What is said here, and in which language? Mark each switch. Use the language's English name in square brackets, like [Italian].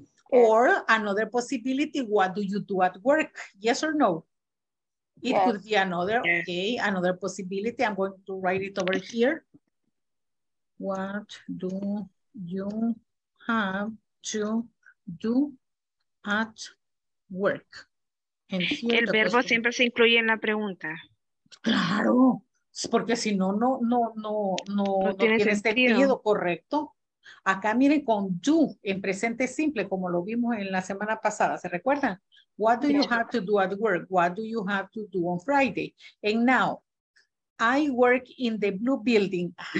[English] Or another possibility, what do you do at work? Yes or no? It could be another, okay, another possibility. I'm going to write it over here. What do you have to do at work? [Spanish] El verbo siempre se incluye en la pregunta. Claro, porque si no, no tiene sentido, correcto. Acá miren con do en presente simple, como lo vimos en la semana pasada, ¿se recuerdan? [English] What do you have to do at work? What do you have to do on Friday? And now, I work in the blue building.